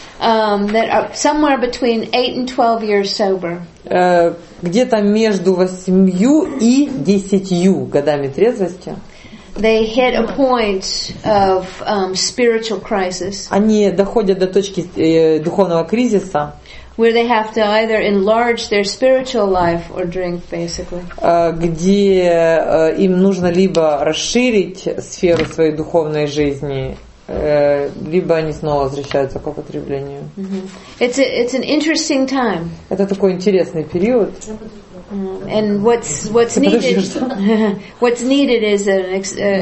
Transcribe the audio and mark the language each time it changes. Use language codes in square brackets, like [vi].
[en] That are somewhere between 8 and 12 years sober. [ru] Где-то между 8 и 10 годами трезвости. [en] They hit a point of spiritual crisis. [ru] Они доходят до точки духовного кризиса. [en] Where they have to either enlarge their spiritual life or drink, basically. [ru] Где им нужно либо расширить сферу своей духовной жизни. Либо они снова возвращаются к употреблению. [en] It's an interesting time. [ru] Это такой интересный период. [en] And what's needed is an.